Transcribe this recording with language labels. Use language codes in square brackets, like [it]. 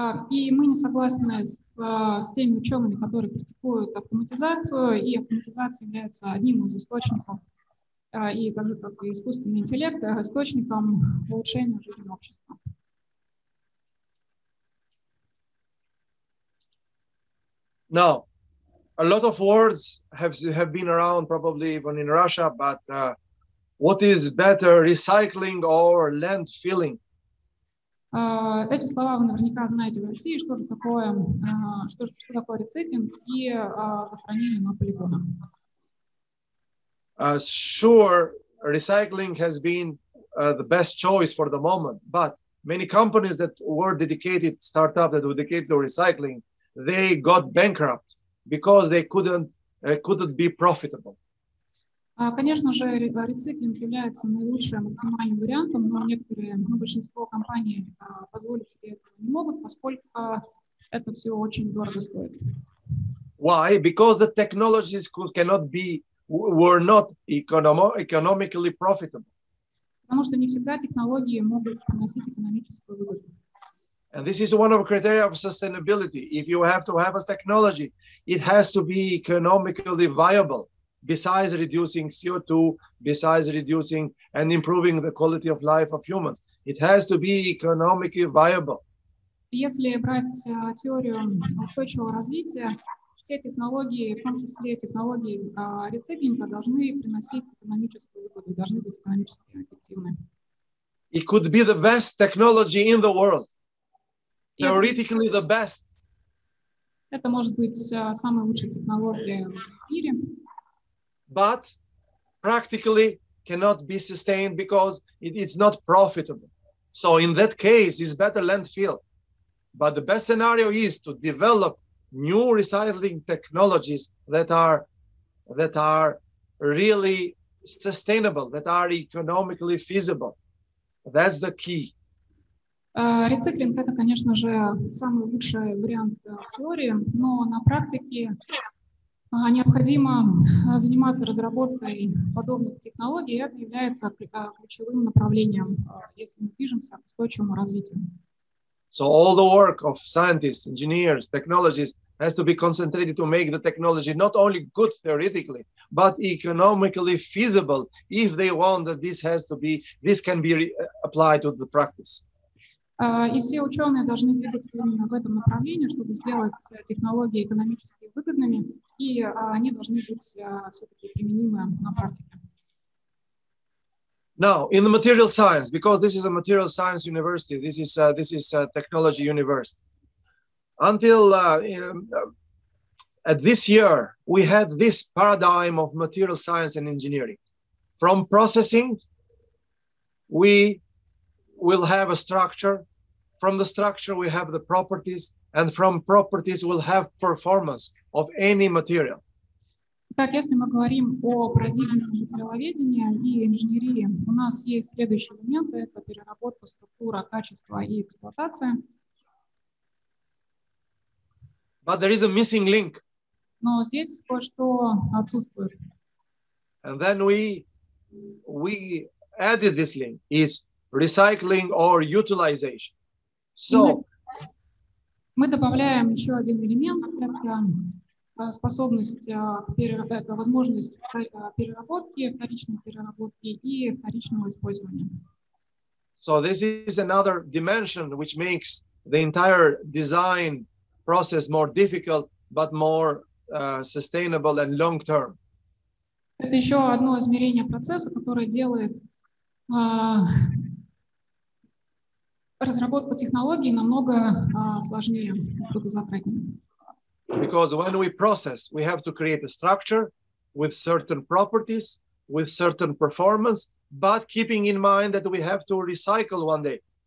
[ru] И мы не согласны с теми учеными, которые критикуют автоматизацию, и автоматизация является одним из источников, и также как и искусственный интеллект, источником улучшения жизни общества. [en] Now, a lot of words have been around probably even in Russia, but what is better, recycling or landfilling? [ru] Эти слова вы наверняка знаете в России, что же такое рециклинг и захоронение на полигонах. [en] Sure, recycling has been the best choice for the moment, but many companies that were dedicated, startups that were dedicated to recycling, they got bankrupt because they couldn't be profitable. [ru] Конечно же, рециклинг является наилучшим оптимальным вариантом, но большинство компаний позволить себе этого не могут, поскольку это все очень дорого стоит. [en] Why? Because the technologies were not economically profitable. [ru] Потому что не всегда технологии могут приносить экономическую выгоду. [en] And this is one of the criteria of sustainability. If you have to have a technology, it has to be economically viable. Besides reducing CO2, besides reducing and improving the quality of life of humans, it has to be economically viable. [ru] Если брать теорию устойчивого развития, все технологии, в том числе технологии рециклинга, должны приносить экономическую выгоду, должны быть экономически эффективны. [en] It could be the best technology in the world. Theoretically, the best. [ru] Это может быть самая лучшая технология в мире. [en] But practically cannot be sustained because it's not profitable. So in that case, it's better landfill. But the best scenario is to develop new recycling technologies that are really sustainable, that are economically feasible. That's the key. [ru] Рециклинг – это, конечно же, самый лучший вариант теории, но на практике… Необходимо заниматься разработкой подобных технологий, и это является ключевым направлением, если мы движемся к устойчивому развитию. [en] So all the work of scientists, engineers, technologists has to be concentrated to make the technology not only good theoretically, but economically feasible, if they want that this can be applied to the practice. [ru] И все ученые должны двигаться именно в этом направлении, чтобы сделать технологии экономически выгодными, и они должны быть все-таки применимы на практике. [en] Now, in the material science, because this is a material science university, this is a technology university. Until at this year, we had this paradigm of material science and engineering. From processing, we will have a structure. From the structure, we have the properties, and from properties, we'll have performance of any material. [ru] Итак, если мы говорим о парадигме материаловедения и инженерии, у нас есть следующие элементы. Это переработка, структура, качество и эксплуатация. [en] But there is a missing link. [ru] Но здесь кое-что отсутствует. [en] And then we added this link. It's recycling or utilization. So [ru] мы добавляем еще один элемент, это способность переработки, возможность переработки, вторичной переработки и вторичного использования. [en] So this is another dimension which makes the entire design process more difficult, but more sustainable and long term. [ru] Это еще одно измерение процесса, которое делает разработку технологий намного сложнее, трудозатратнее. [en] Because when we process, we have to create a structure with certain properties, with certain performance, but keeping in mind that we have to recycle one day.